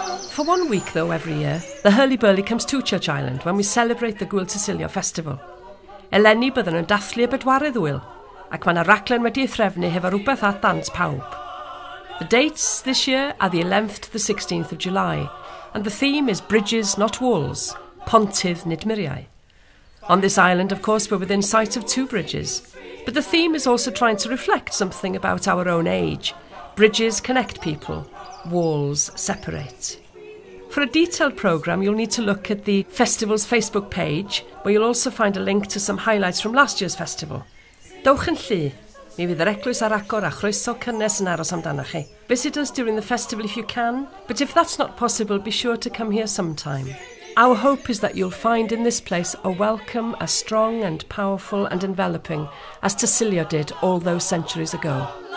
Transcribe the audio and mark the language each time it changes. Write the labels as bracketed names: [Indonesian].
[English] For 1 week, though, every year, the hurly-burly comes to Church Island when we celebrate the Gwyl Tysilio Festival. [Welsh] Eleni byddwn yn dathlu y bedwaredd Gwyl, ac mae yna raglen wedi ei threfnu hefo rhywbeth at ddant pawb. [English] The dates this year are the 11th to the 16th of July, and the theme is Bridges, Not Walls, [Welsh] Pontydd Nid Muriau. [English] On this island, of course, we're within sight of two bridges, but the theme is also trying to reflect something about our own age. Bridges connect people, walls separate. For a detailed programme, you'll need to look at the festival's Facebook page, where you'll also find a link to some highlights from last year's festival. [Welsh] Dowch yn llu. Mi fydd yr eglwys ar agor a chroeso cynnes yn aros amdanoch chi. [English] Visit us during the festival if you can, but if that's not possible, be sure to come here sometime. Our hope is that you'll find in this place a welcome as strong and powerful and enveloping as Tysilio did all those centuries ago.